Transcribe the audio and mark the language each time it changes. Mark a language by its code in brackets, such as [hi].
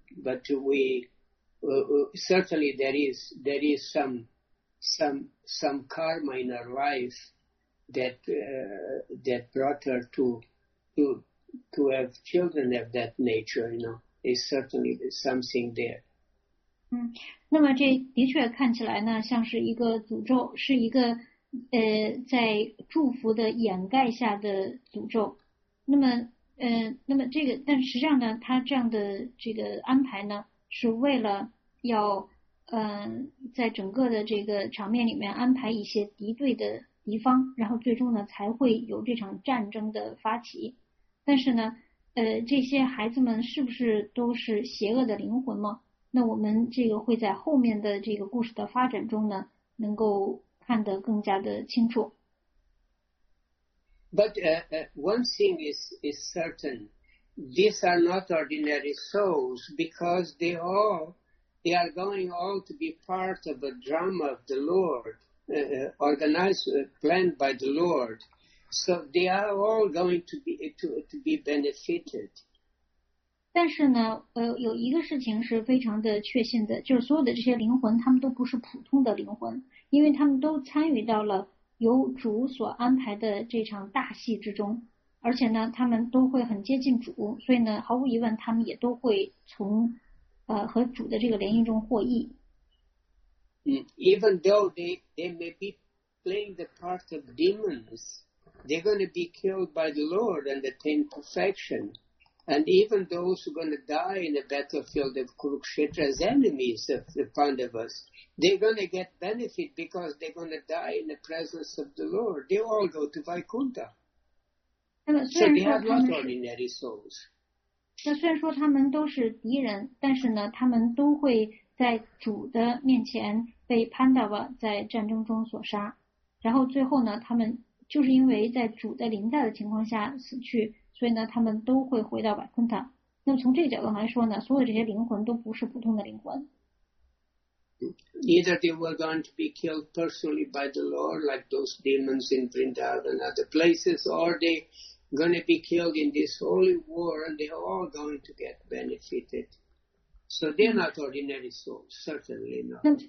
[en] But we certainly there is some karma in our life that brought her to have children of that nature. You know, is certainly something there. [zh] 嗯，那么这的确看起来呢，像是一个诅咒，是一个在祝福的掩盖下的诅咒。那么，那么这个，但实际上呢，他这样的这个安排呢，是为了要在整个的这个场面里面安排一些敌对的敌方，然后最终呢才会有这场战争的发起。但是呢，这些孩子们是不是都是邪恶的灵魂吗？那我们这个会在后面的这个故事的发展中呢，能够看得更加的清楚。 [en] But one thing is certain, these are not ordinary souls because they are going all to be part of a drama of the Lord, organized, planned by the Lord. So they are all going to be benefited. [zh] 但是呢，有一个事情是非常的确信的，就是所有的这些灵魂，他们都不是普通的灵魂，因为他们都参与到了由主所安排的这场大戏之中，而且呢，他们都会很接近主，所以呢，毫无疑问，他们也都会从和主的这个联姻中获益。 [en] Even though they may be playing the part of demons, they're going to be killed by the Lord and attain perfection. And even those who are going to die in the battlefield of Kurukshetra as enemies of the Pandavas, they're going to get benefit because they're going to die in the presence of the Lord. They all go to Vaikuntha. So they have not ordinary souls. [zh] 那虽然说他们都是敌人，但是呢，他们都会在主的面前被潘达瓦在战争中所杀，然后最后呢，他们就是因为在主的临在的情况下死去。所以呢，他们都会回到百昆塔。那么从这个角度来说呢，所有这些灵魂都不是普通的灵魂。 [en] Neither they were going to be killed personally by the Lord like those demons in Vrindavan and other places, or they going to be killed in this holy war, and they are all going to get benefited. So they are not ordinary souls, certainly not.